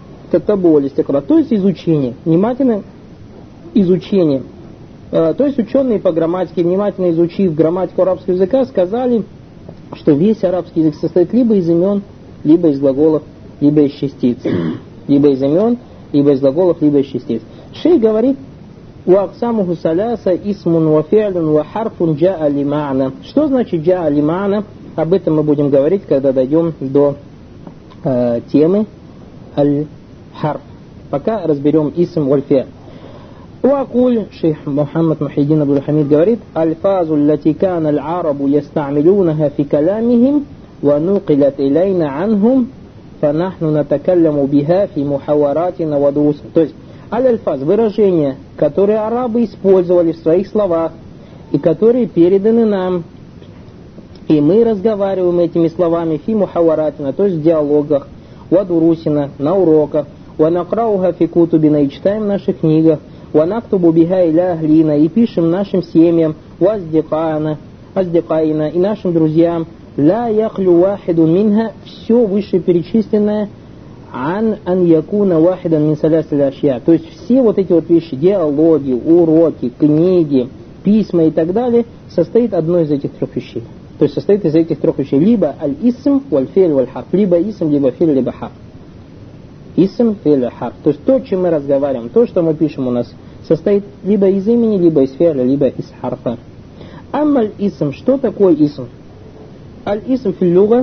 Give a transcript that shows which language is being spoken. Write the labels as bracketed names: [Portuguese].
[Russian] Татабу валистикра, то есть изучение. Внимательно изучение. То есть ученые по грамматике, внимательно изучив грамматику арабского языка, сказали, что весь арабский язык состоит либо из имен, либо из глаголов, либо из частиц. Либо из имен, либо из глаголов, либо из частиц. Шейх говорит, [Arabic] وأقسامه ثلاثة اسم وفعل وحرف جاء لمعنى. [Russian] Что значит [Arabic] جاء لمعنى? [Russian] Об этом мы будем говорить, когда дойдем до темы аль-харф. Пока разберем اسم والفعل. [Arabic] وقول شيخ محمد محيدين أبو الحميد [Russian] говорит: [Arabic] الفاظ التي كان العرب يستعملونها في كلامهم ونقلت إلينا عنهم فنحن نتكلم بها في محاوراتنا ودروس. [Russian] То есть аль-альфаз – выражения, которые арабы использовали в своих словах и которые переданы нам. И мы разговариваем этими словами [Arabic] фи мухаваратина, [Russian] то есть в диалогах. [Arabic] ودروسنا [Russian] на уроках, [Arabic] ونقرأها في كتبنا [Russian] и читаем в наших книгах, [Arabic] ونكتب بها إلى أهلنا [Russian] и пишем нашим семьям, [Arabic] وأصدقائنا [Russian] и нашим друзьям, [Arabic] لا يخلو واحد منها, [Russian] все вышеперечисленное, [Arabic] عن أن يكون واحدا من ثلاث الأشياء. [Russian] То есть все вот эти вот вещи, диалоги, уроки, книги, письма и так далее, состоит одно из этих трех вещей. То есть состоит из этих трех вещей. Либо аль-исм, валь-фель, валь-харф. Либо исм, либо фель, либо харф. Исм, фель, харф. То есть то, чем мы разговариваем, то, что мы пишем у нас, состоит либо из имени, либо из фель, либо из харфа. Аммаль-исм. Что такое исм? [Arabic] Аль-исм фель-люга.